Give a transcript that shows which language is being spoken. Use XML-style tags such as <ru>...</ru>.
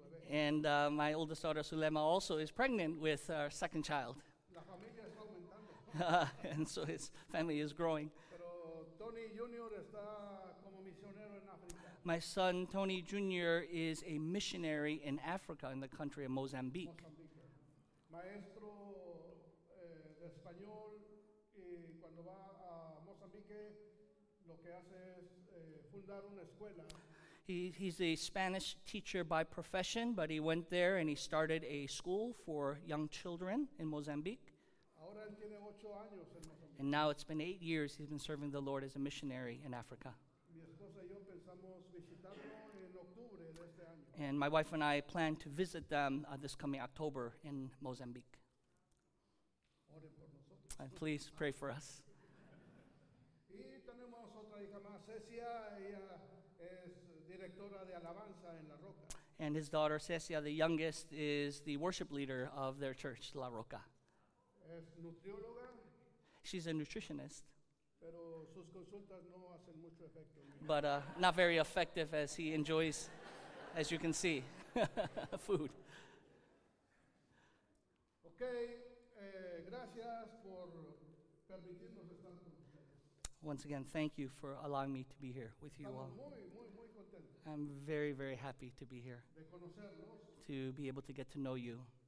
<en>And my oldest daughter, Zulema, also is pregnant with our second child.</en> <es>La familia está aumentando.</es> <en>And so his family is growing.</en> <es>Pero Tony Junior está como misionero en África.</es> <en>My son, Tony Junior, is a missionary in Africa, in the country of Mozambique.</en> <es>Maestro de español, y cuando va a Mozambique, lo que hace es fundar una escuela.</es> <en>He's a Spanish teacher by profession, but he went there and he started a school for young children in Mozambique.</en> <es>Ahora él tiene 8 años en Mozambique.</es> <en>And now it's been 8 years he's been serving the Lord as a missionary in Africa.</en> <es>Mi esposa y yo pensamos visitarlo en octubre de este año.</es> <en>And my wife and I plan to visit them this coming October in Mozambique.</en> <es>Oren por nosotros.</es> <en>And please pray for us.</en> <es>Y tenemos otra hija más, Cecia, ella es directora de alabanza en La Roca.</es> <en>And his daughter Cecia, the youngest, is the worship leader of their church, La Roca.</en> <es>Es nutrióloga.</es> <en>She's a nutritionist.</en> <es>Pero sus consultas no hacen mucho efecto.</es> <en>But not very effective, as he enjoys, as you can see, food.</en> <es>Okay, gracias por permitirnos estar con ustedes.</es> <en>Once again, thank you for allowing me to be here with you all. I'm very, very happy to be here, to be able to get to know you.</en>